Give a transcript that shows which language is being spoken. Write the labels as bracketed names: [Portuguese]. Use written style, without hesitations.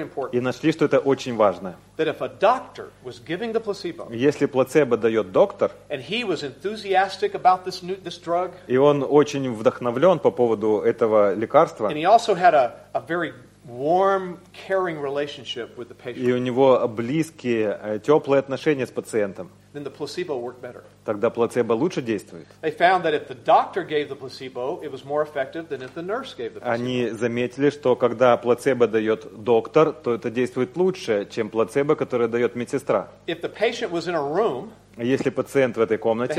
[Russian] И нашли, что это очень важно. Если плацебо дает доктор, и он очень вдохновлен по поводу этого лекарства, [English] warm, caring relationship with the patient. [Russian] И у него близкие, теплые отношения с пациентом. [English] Then the placebo worked better. [Russian] Тогда плацебо лучше действует. [English] They found that if the doctor gave the placebo, it was more effective than if the nurse gave the placebo. [Russian] Они заметили, что когда плацебо дает доктор, то это действует лучше, чем плацебо, которое дает медсестра. [English] If the patient was in a room, [Russian] если пациент в этой комнате,